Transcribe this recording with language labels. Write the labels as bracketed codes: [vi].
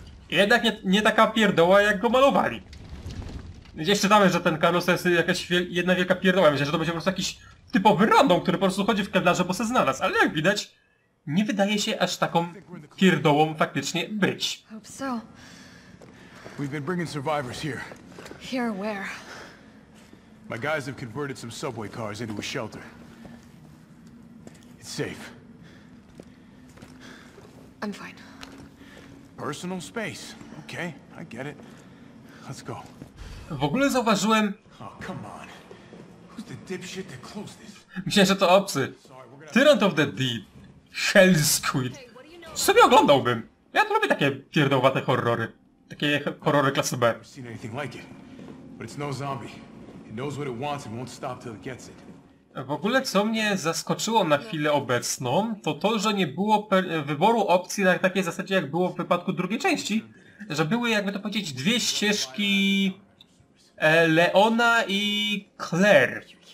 [pl] Jednak nie taka pierdoła, jak go malowali. Gdzieś czytałem, że ten Carlos to jest jakaś jedna wielka pierdoła. Myślę, że to będzie po prostu jakiś typowy random, który po prostu chodzi w kadarze, bo se znalazł. Ale jak widać, nie wydaje się aż taką pierdołą faktycznie być. [en] We've been bringing survivors here. Here where? My guys have converted some subway cars into a shelter. It's safe. I'm fine. Personal space. Okay, I get it. Let's go. [pl] W ogóle zauważyłem... [en] Oh, come on. Who's the dipshit that closed this? [pl] Myślę, że to obcy. Tyrant of the Deep. Hell Squid. Sobie oglądałbym. Ja to lubię takie pierdołowate horrory. Takie horrory klasy B. [en] I've never seen anything like it. But it's no zombie. It knows what it wants and won't stop till it gets it. [pl] W ogóle co mnie zaskoczyło na chwilę obecną, to to, że nie było wyboru opcji na takiej zasadzie, jak było w wypadku drugiej części. Że były, jakby to powiedzieć, dwie ścieżki Leona i Claire.